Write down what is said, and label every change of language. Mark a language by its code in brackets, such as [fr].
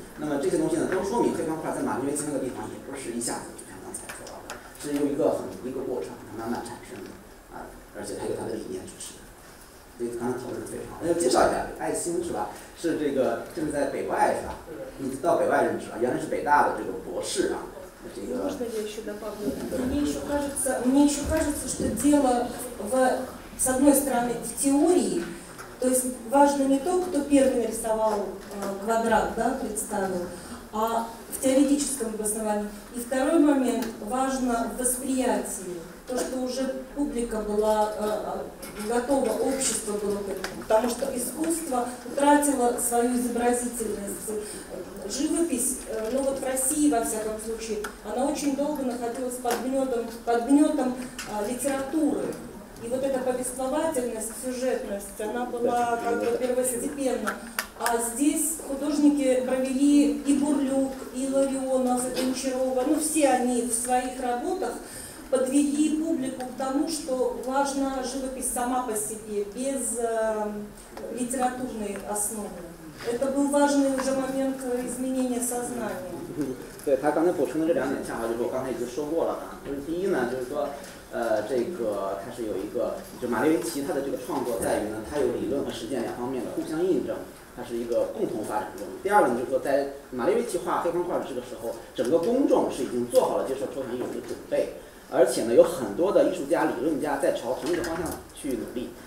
[zh] 那么这些东西呢，都说明黑方块在马约基那个地方也不是一下子就像刚才说到的，是由一个过程慢慢产生的啊，而且它有它的理念支持。所以刚才讨论的非常好。那要介绍一下，爱心是吧？是这个就是在北外是吧？你到北外认识了，原来是北大的这个博士啊。 [ru] Мне еще кажется, что дело в, с одной стороны, в теории. То есть важно не то, кто первый нарисовал квадрат, да, представил, а в теоретическом обосновании. И второй момент важно в восприятии. То, что уже публика была готова, общество было к этому. Потому что искусство утратило свою изобразительность. Живопись, ну вот в России, во всяком случае, она очень долго находилась под гнетом литературы. И вот эта повествовательность, сюжетность, она была как бы первостепенна. А здесь художники провели и Бурлюк, и Ларионов, и Гончарова, ну все они в своих работах подвели публику к тому, что важна живопись сама по себе, без литературной основы. Это был важный уже момент изменения сознания. [zh] 对，他刚才补充的这两点恰好就是我刚才已经说过了啊。就是第一呢，就是说，这个它是有一个，就马列维奇他的这个创作在于呢，他有理论和实践两方面的互相印证，它是一个共同发展中。第二呢，就是说在马列维奇画黑方块这个时候，整个公众是已经做好了接受抽象艺术的准备，而且呢，有很多的艺术家、理论家在朝同一个方向去努力。